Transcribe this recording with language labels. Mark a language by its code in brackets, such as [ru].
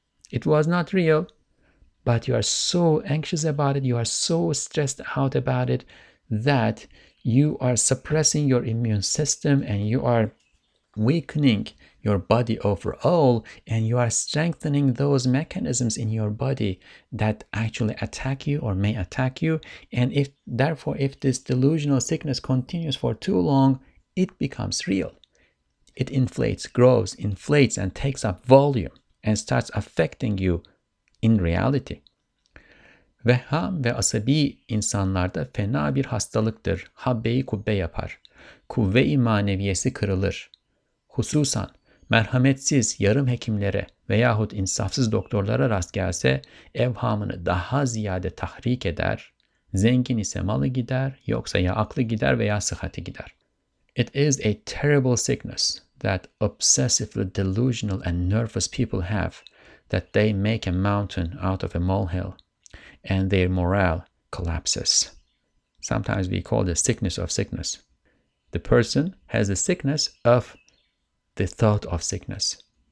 [en] It was not real, but you are so anxious about it, you are so stressed out about it, that you are suppressing your immune system and you are weakening your body overall, and you are strengthening those mechanisms in your body that actually attack you or may attack you. And if this delusional sickness continues for too long, it becomes real. It inflates, grows, inflates, and takes up volume and starts affecting you in reality. [tr] Vehham ve asabi insanlarda fena bir hastalıktır. Habbeyi kubbe yapar. Kuvve-i maneviyesi kırılır. Hususan merhametsiz yarım hekimlere veyahut insafsız doktorlara rast gelse evhamını daha ziyade tahrik eder. Zengin ise malı gider, yoksa ya aklı gider veya sıhhati gider. [en] It is a terrible sickness that obsessively delusional and nervous people have, that they make a mountain out of a molehill and their morale collapses. Sometimes we call the sickness of sickness. The person has the sickness of the thought of sickness.